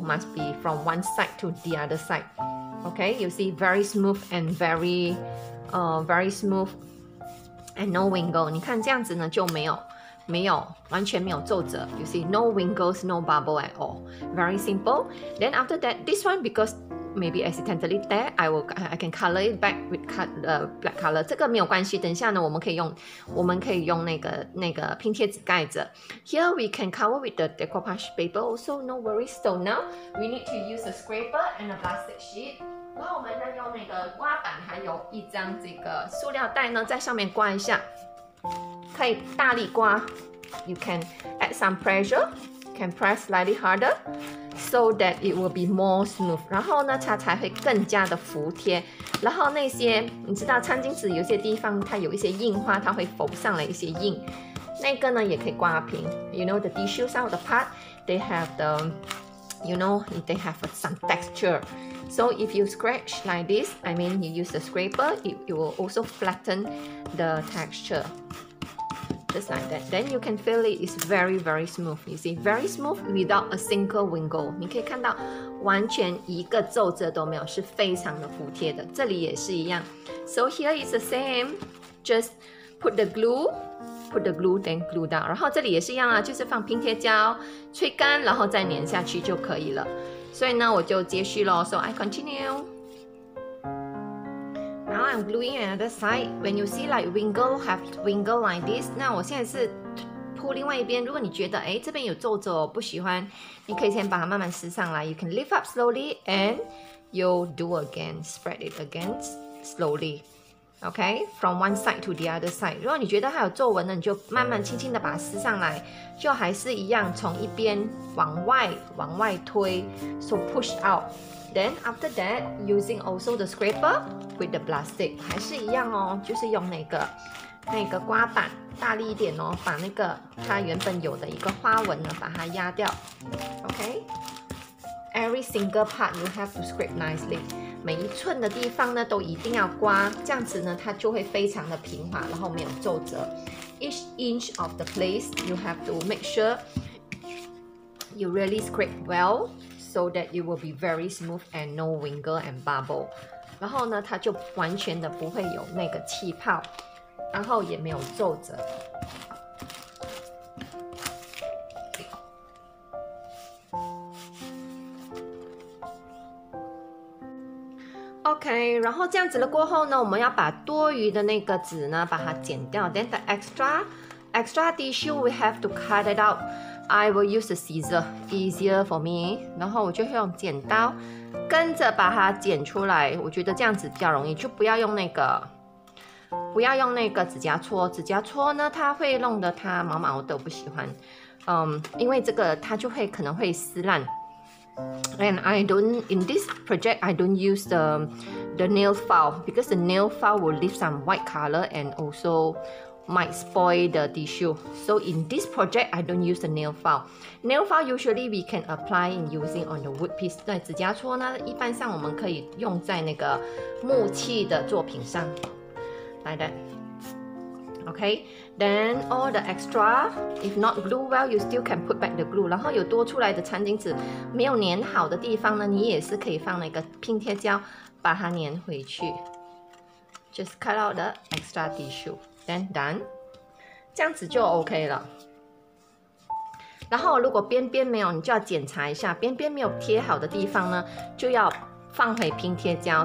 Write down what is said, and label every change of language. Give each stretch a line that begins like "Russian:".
English: Must be from one side to the other side. Okay, you see, very smooth and very smooth. And no wrinkle,
Chinese: 你看这样子呢就没有完全没有皱褶。
English: You see, no wrinkles, no bubble at all. Very simple. Then after that, this one because maybe accidentally there, I can color it back with black color.
Chinese: 这个没有关系。等一下呢，我们可以用那个拼贴纸盖着。
English: Here we can cover with the decoupage paper. Also, no worries. So now we need to use a scraper and a plastic sheet.
Chinese: 然后我们再用那个刮板，还有一张这个塑料袋呢，在上面刮一下，可以大力刮。
English: You can add some pressure, can press slightly harder, so that it will be more smooth.
Chinese: 然后呢，它才会更加的服帖。然后那些你知道，餐巾纸有些地方它有一些印花，它会浮上来一些印，那个呢也可以刮平。
English: You know the tissue, some of the part they have the, you know they have some texture. So if you scratch like this, I mean you use the scraper, it will also flatten the texture. Just like that. Then you can feel it is very, very smooth. You see, very smooth without a single wrinkle.
Chinese: 你可以看到完全一个皱褶都没有，是非常的服帖的。这里也是一样。
English: So here is the same. Just put the glue, then glue down.
Chinese: 然后这里也是一样啊，就是放拼贴胶，吹干，然后再粘下去就可以了。所以呢，我就接续咯。
English: So I continue. Now I'm gluing another side. When you see like wrinkle, have wrinkle like this.
Chinese: 那我现在是铺另外一边。如果你觉得哎这边有皱褶，不喜欢，你可以先把它慢慢撕上来。
English: You can lift up slowly and you'll do again. Spread it again slowly. Okay, from one side to the other side.
Chinese: 如果你觉得它有皱纹的，你就慢慢轻轻的把它撕上来。就还是一样，从一边往外推 ，
English: so push out. Then after that, using also the scraper with the plastic,
Chinese: 还是一样哦，就是用那个刮板，大力一点哦，把那个它原本有的一个花纹呢，把它压掉。
English: Okay, every single part you have to scrape nicely.
Chinese: 每一寸的地方呢，都一定要刮，这样子呢，它就会非常的平滑，然后没有皱褶。
English: Each inch of the place, you have to make sure you really scrape well, so that it will be very smooth and no wrinkle and bubble.
Chinese: 然后呢，它就完全的不会有那个气泡，然后也没有皱褶。 OK, 然后这样子了过后呢，我们要把多余的那个纸呢把它剪掉。
English: Then the extra tissue we have to cut it out. I will use a scissor, easier for me.
Chinese: 然后我就用剪刀跟着把它剪出来，我觉得这样子比较容易，就不要用那个指甲戳。指甲戳呢它会弄得它毛毛的，我不喜欢，因为这个它就会可能会撕烂。
English: And I don't, in this project, I don't use the nail file because the nail file will leave some white color and also might spoil the tissue. So in this project, I don't use the nail file. Nail file usually we can apply in using on the wood piece.
Chinese: 对，指甲戳呢，一般上我们可以用在那个木器的作品上
English: ，like that. Okay. Then all the extra, if not glue well, you still can put back the glue.
Chinese: 然后有多出来的餐巾纸没有粘好的地方呢，你也是可以放那个拼贴胶把它粘回去。
English: Just cut out the extra tissue. Then done.
Chinese: 这样子就 OK 了。然后如果边边没有，你就要检查一下，边边没有贴好的地方呢，就要放回拼贴胶。